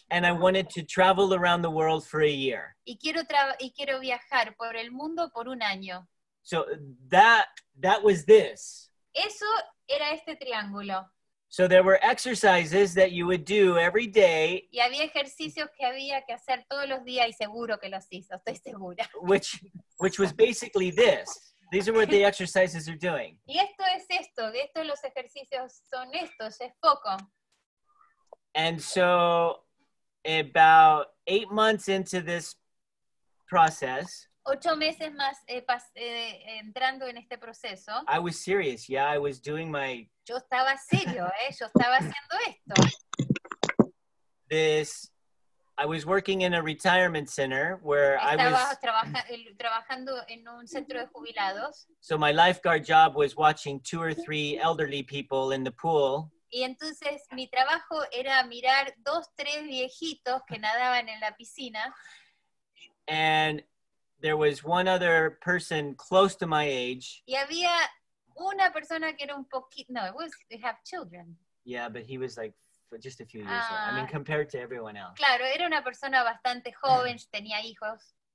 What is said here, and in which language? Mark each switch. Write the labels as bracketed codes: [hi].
[en] And I wanted to travel around the world for a year. [es] Y quiero viajar por el mundo por un año. [en] So that was this. [es] Eso era este triángulo. [en] So there were exercises that you would do every day. [es] Y había ejercicios que había que hacer todos los días y seguro que los hizo, estoy segura. [en] Which was basically this. These are what the exercises are doing. [es] Y esto es esto, de estos los ejercicios son estos, es poco. [en] And so about 8 months into this process, [es] 8 meses más entrando en este proceso, [en] I was serious. Yeah, I was doing my... [es] Yo estaba serio, yo estaba haciendo esto. [en] This, I was working in a retirement center where [es] trabajando en un centro de jubilados. [en] So my lifeguard job was watching two or three elderly people in the pool. [es] Y entonces mi trabajo era mirar dos, tres viejitos que nadaban en la piscina. [en] And there was one other person close to my age. [es] Y había una persona que era un poquito, no, [en] it was, they have children. Yeah, but he was like just a few years old. I mean, compared to everyone else. [es] Claro, era una persona bastante joven, tenía hijos.